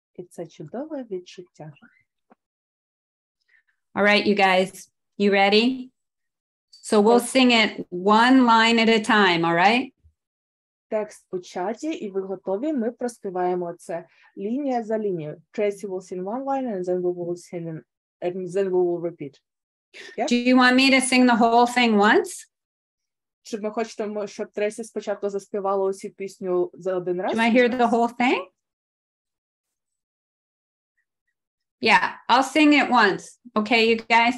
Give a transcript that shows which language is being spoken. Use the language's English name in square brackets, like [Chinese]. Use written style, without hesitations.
[Ukrainian] Це чудове відчуття. [English] All right, you guys, you ready? So we'll sing it one line at a time, all right? [Ukrainian] Текст у чаті, і ви готові, ми проспіваємо це лінія за лінією. [English] Tracy will sing one line and then we will sing and then we will repeat. Yeah? Do you want me to sing the whole thing once? [Ukrainian] Чи ви хочете, щоб Тресі спочатку заспівала усю пісню за один раз? [English] Do I hear the whole thing? Yeah, I'll sing it once, okay, you guys?